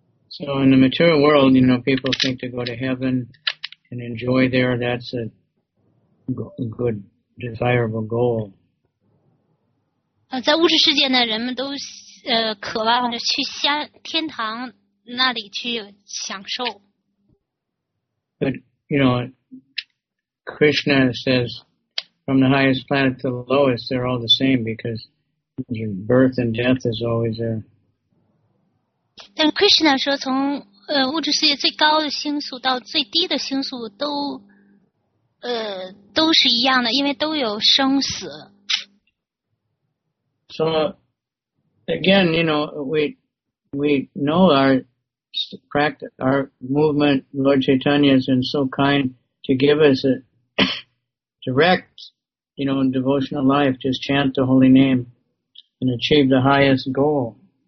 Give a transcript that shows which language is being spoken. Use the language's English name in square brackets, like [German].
[English] So in the material world, you know, people think to go to heaven and enjoy there, that's a good, desirable goal. [Chinese] 在物质世界呢，人们都渴望着去天堂那里去享受。 [English] But, you know, Krishna says, from the highest planet to the lowest, they're all the same because your birth and death is always there. [Chinese] 但 Krishna 说从物质世界最高的星宿到最低的星宿都是一样的，因为都有生死。 [English] So again, you know, we know our practice, our movement, Lord Chaitanya has been so kind to give us a direct, you know, in devotional life, just chant the holy name and achieve the highest goal.